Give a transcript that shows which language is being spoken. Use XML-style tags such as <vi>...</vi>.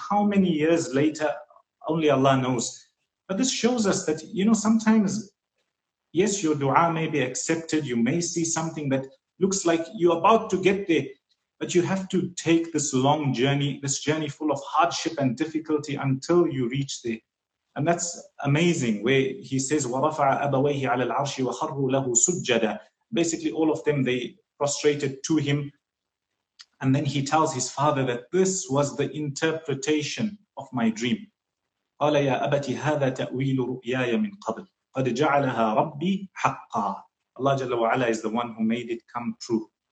<en>How many years later, only Allah knows. But this shows us that, you know, sometimes, yes, your dua may be accepted. You may see something that looks like you're about to get there, but you have to take this long journey, this journey full of hardship and difficulty until you reach there. And that's amazing, where he says,</en> <ar>وَرَفَعَ أَبَوَيْهِ عَلَى الْعَرْشِ وَخَرُّوا لَهُ سُجَّدًا.</ar> <en>Basically, all of them, they prostrated to him. And then he tells his father that this was the interpretation of my dream.</en> <ar>قَالَ يَا أَبَتِ هَذَا تَأْوِيلُ رُؤْيَايَ مِنْ قَبْلِ قَدْ جَعَلَهَا رَبِّي حَقًّا.</ar> <en>Allah Jalla wa Ala is the one who made it come true.</en>